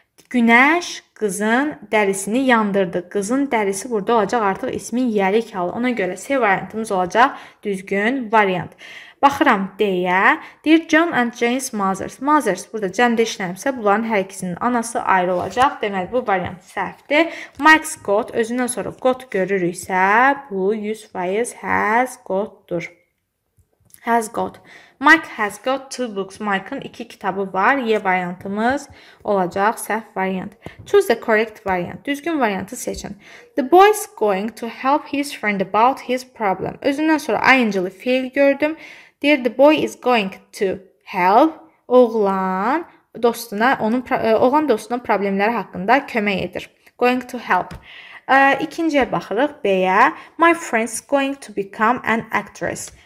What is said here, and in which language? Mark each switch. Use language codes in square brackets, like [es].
[az] Günəş qızın dərisini yandırdı. Qızın dərisi burada olacaq artıq ismin yəlik halı. Ona görə C variantımız olacaq düzgün variant. Baxıram deyə. [en] Dear John and Jane's mothers. [az] Mothers burada cəmdə işləyibsə, bunların hər ikisinin anası ayrı olacaq. Deməli, bu variant səhvdir. [en] Mike's got. [az] Özündən sonra got görürüksə, bu 100% has got-dur. [en] Has got. Mike has got two books. [az] Mike'ın iki kitabı var. Y variantımız olacaq. Səhv variant. [en] Choose the correct variant. [az] Düzgün variantı seçin. [en] The boy's going to help his friend about his problem. [az] Özündən sonra ing-li fail gördüm. [en] Dear, the boy is going to help. [az] Oğlan dostunun problemləri haqqında kömək edir. [en] Going to help. [az] İkinciyə baxırıq. B-yə. [en] My friend's going to become an actress.